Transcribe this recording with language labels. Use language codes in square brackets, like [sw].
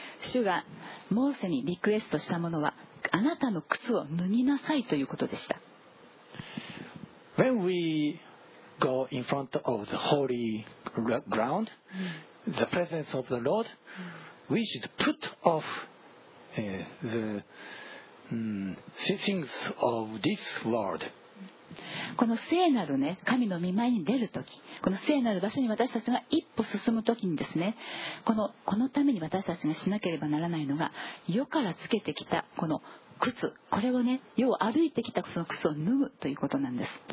[ja] 主がモーセにリクエストしたものは、あなたの靴を脱ぎなさいということでした。 [en] When we go in front of the holy ground, the presence of the Lord, we should put off the things of this world. [ja] この聖なるね、神の御前に出るとき、この聖なる場所に私たちが一歩進むときにですね、このために私たちがしなければならないのが、世からつけてきたこの靴、これをね、世を歩いてきたその靴を脱ぐということなんです。